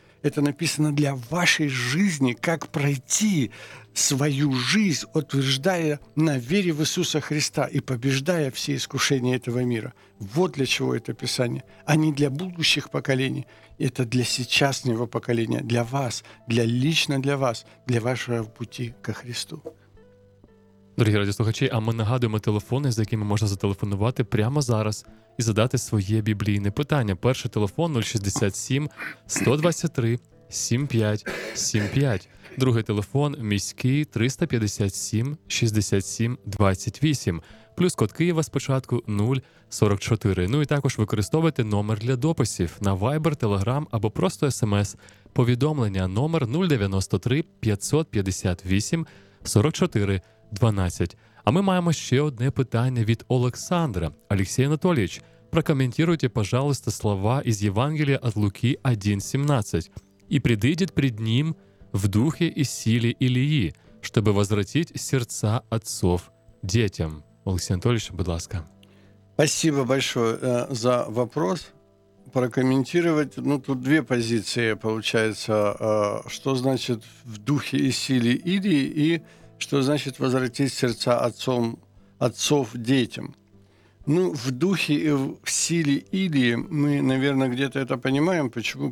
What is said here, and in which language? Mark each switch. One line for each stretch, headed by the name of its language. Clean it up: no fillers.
Russian: Это написано для вашей жизни, как пройти свою жизнь, утверждая на вере в Иисуса Христа и побеждая все искушения этого мира. Вот для чего это Писание. А не для будущих поколений. Это для сейчасшнего поколения, для вас, для лично для вас, для вашего пути ко Христу.
Ukrainian: Дорогі радіослухачі, а ми нагадуємо телефони, з якими можна зателефонувати прямо зараз і задати своє біблійне питання. Перший телефон 067-123-75-75. Другий телефон міський 357-67-28. Плюс код Києва спочатку 044. Ну і також використовуйте номер для дописів на Viber, Telegram або просто SMS. Повідомлення номер 093-558-44-12. А ми маємо ще одне питання від Олександра. Олексій Анатолійович,
Russian: прокоментируйте, пожалуйста,
Ukrainian: слова із Євангелія від Луки 1:17. «І прийдіть пред ним в духі і силі Ілії, щоб возвратити серця отців дітям». Олексій Анатолійович, будь ласка.
Russian: Спасибо большое за вопрос. Прокомментировать, ну, тут две позиции, получается, что значит «в духе и силе Ирии», и что значит «возвратить сердца отцом, отцов детям». Ну, в духе и в силе Ирии мы, наверное, где-то это понимаем. Почему?